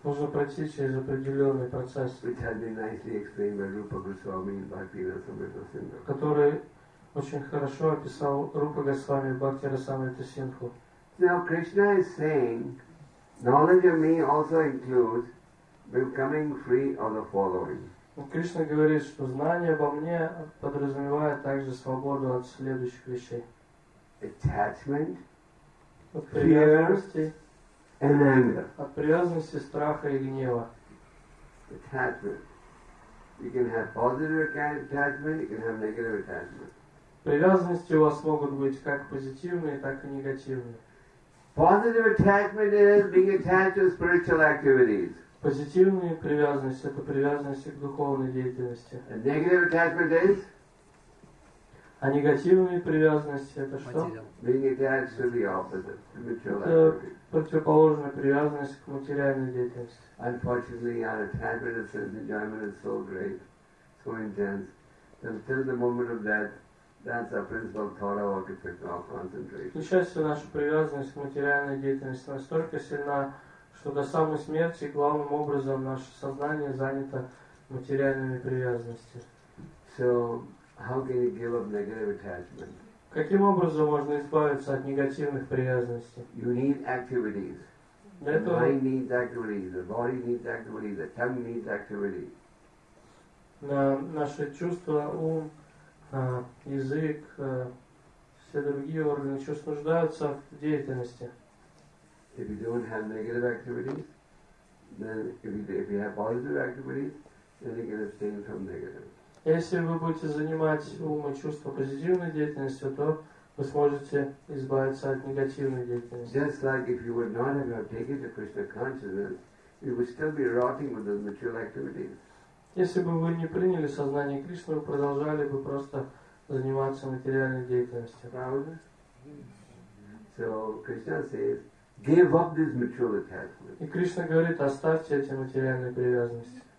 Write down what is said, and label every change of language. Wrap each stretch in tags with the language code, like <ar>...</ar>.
<ru>Нужно пройти через определенный процесс.</ru> <en>Which has been nicely explained by Rupa Goswami and Bhaktirasamrita Sindhu.</en> <ru>Который очень хорошо описал Рупа Госвами Бхактирасамрита Синдху.</ru> <en>Now Krishna is saying, knowledge of me also includes becoming free of the following.</en> <ru>Кришна говорит, что знание обо мне подразумевает также свободу от следующих вещей.</ru> <en>Attachment, fear, and anger.</en> <ru>От привязанности, страха и гнева.</ru> <en>Attachment. You can have positive attachment, you can have negative attachment.</en> <ru>Привязанности у вас могут быть как позитивные, так и негативные.</ru> <en>Positive attachment is being attached to spiritual activities.</en> <ru>Позитивная привязанность – это привязанность к духовной деятельности.</ru> <en>A negative attachment is?</en> <ru>А негативная привязанность – это что?</ru> <en>Being attached to the opposite, material</en> <ru>Это противоположная привязанность к материальной деятельности.</ru> <en>Unfortunately, our attachment is an enjoyment is so great, so intense, that until the moment of death, that's our principal thought of occupation, our concentration.</en> <ru>К счастью, наша привязанность к материальной деятельности настолько сильна, что до самой смерти главным образом наше сознание занято материальными привязанностями.</ru> <en>So, how can you give up negative attachment?</en> <ru>Каким образом можно избавиться от негативных привязанностей?</ru> <en>You need activities.</en> <ru>Для этого...</ru> <en>The mind needs activities, the body needs activities, the tongue needs activity.</en> <ru>Наши чувства, ум, язык, все другие органы чувств нуждаются в деятельности.</ru> <en>If you don't have negative activities, then if you have positive activities, then you can abstain from negative.</en> <ru>Если вы будете занимать ум и чувства позитивной деятельностью, то вы сможете избавиться от негативной деятельности.</ru> <en>Just like if you would not have taken the Krishna consciousness, you would still be rotting with those material activities.</en> <ru>Если бы вы не приняли сознание Кришны, вы продолжали бы просто заниматься материальной деятельностью. Правда?</ru> <en>So Krishna says, give up this material attachment.</en> <ru>И Кришна говорит, оставьте эти материальные привязанности.</ru>